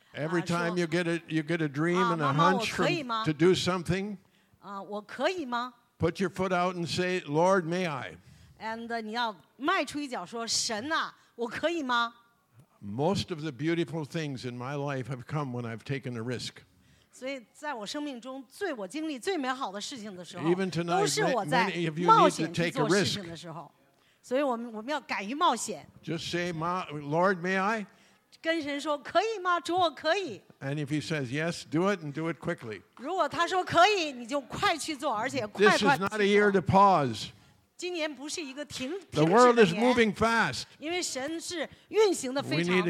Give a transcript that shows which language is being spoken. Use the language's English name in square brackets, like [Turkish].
[English] Every time you get a dream and a hunch to do something, [Chinese] 我可以吗? [English] Put your foot out and say, Lord, may I? And [Chinese] 你要迈出一脚说，神啊，我可以吗? [English] Most of the beautiful things in my life have come when I've taken a risk. [Chinese] 所以在我生命中最我经历最美好的事情的时候， [English] Even tonight, many of you need to take a risk. [Chinese] 所以我们要敢于冒险。 [English] Just say, Lord, may I? [Chinese] 跟神说，可以吗？主，我可以。 [English] And if he says yes, do it and do it quickly. [Chinese] 如果他说可以，你就快去做，而且快快去做。 [English] This is not a year to pause. [Chinese] 今年不是一个停止的年。 [English] The world is moving fast. [Chinese] 因为神是运行的非常快。 [English] We